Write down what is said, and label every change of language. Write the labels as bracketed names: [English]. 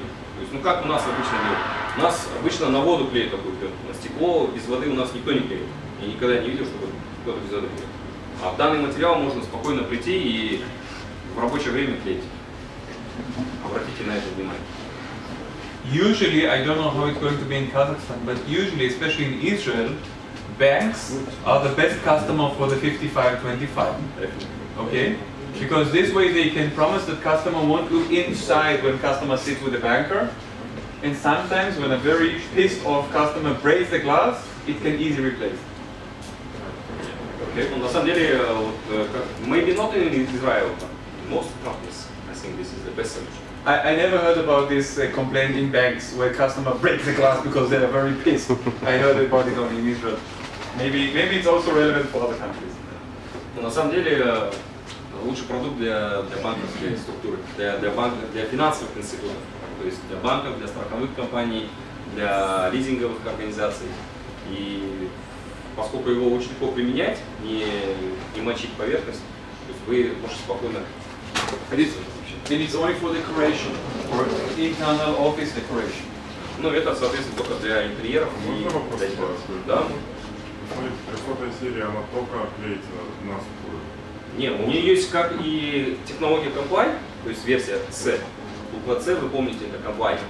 [Russian] То есть, ну как у нас обычно делают? У нас обычно на воду клеят такую пленку, на стекло без воды у нас никто не клеит. Я никогда не видел, чтобы кто-то без воды клеил. А в данный материал можно спокойно прийти и в рабочее время клеить. Обратите на это внимание. [English] Usually, I don't know how it's going to be in Kazakhstan, but usually, especially in Israel, banks are the best customer for the 5525. Okay? Because this way they can promise that customer won't look inside when customer sits with the banker. And sometimes when a very pissed off customer breaks the glass, it can easily replace. Okay. Well, [Russian] на самом деле, [English] maybe not in Israel, but in most companies, I think this is the best solution. I never heard about this complaint in banks where customer breaks the glass because they are very pissed. I heard about it only in Israel. Maybe it's also relevant for other countries. [Russian] Well, на самом деле, лучший продукт для банковской структуры, для финансовых институтов, то есть для банков, для страховых компаний, для лизинговых организаций. И поскольку его очень легко применять, не мочить поверхность, то есть вы можете спокойно ходить. [English] And it's only for decoration, for internal office decoration. [Russian] Ну, это, соответственно, только для интерьеров. Можно вопрос? Да. Какой-то серия, она только клеится на структуру? Нет, у нее есть как и технология Comply, то есть версия C. Буква C, вы помните, это Comply.